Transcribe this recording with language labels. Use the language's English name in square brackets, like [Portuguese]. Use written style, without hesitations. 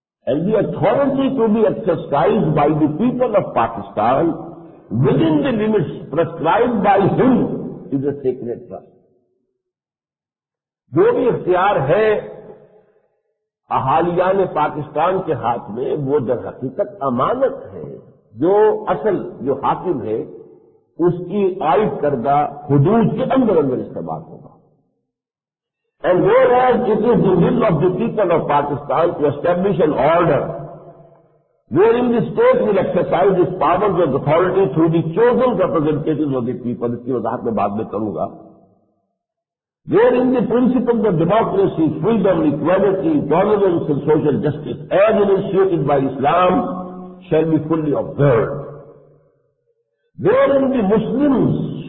[English] And the authority to be exercised by the people of Pakistan within the limits prescribed by him is a sacred trust. [Urdu] جو بھی اختیار ہے احالیان پاکستان کے ہاتھ میں وہ در حقیقت امانت ہے, جو اصل جو حاکم ہے اس کی عائد کردہ حدود کے اندر اندر استعمال ہوگا. [English] And whereas it is the will of the people of Pakistan to establish an order wherein the state will exercise its powers of authority through the chosen representatives of the people, [Urdu] اس کی وضاحت میں بعد میں کروں گا, [English] wherein the principles of democracy, freedom, equality, tolerance and social justice as initiated by Islam shall be fully observed, wherein the Muslims